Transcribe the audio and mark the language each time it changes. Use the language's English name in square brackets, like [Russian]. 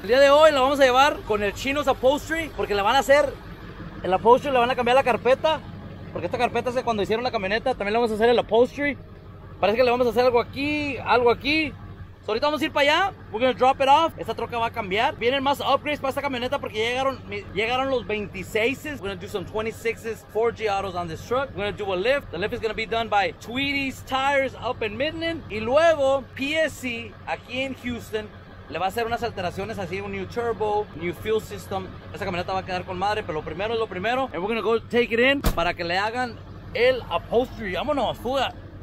[Spanish] El día de hoy la vamos a llevar con el Chino's Upholstery porque le van a hacer el upholstery, le van a cambiar la carpeta. Porque esta carpeta es de cuando hicieron la camioneta. También le vamos a hacer el upholstery. Parece que le vamos a hacer algo aquí. So ahorita vamos a ir para allá. [English] We're gonna drop it off. [Spanish] Esta troca va a cambiar. Vienen más upgrades para esta camioneta porque llegaron los 26s. [English] We're gonna do some 26s 4G autos on this truck. We're gonna do a lift. The lift is gonna be done by Tweedy's Tires up in Midland. [Spanish] Y luego PSC aquí en Houston le va a hacer unas alteraciones, así un [English] new turbo, new fuel system. [Spanish] Esa camioneta va a quedar con madre, pero lo primero es lo primero. [English] And we're gonna go take it in [Spanish] para que le hagan el upholstery. Vámonos, fuga.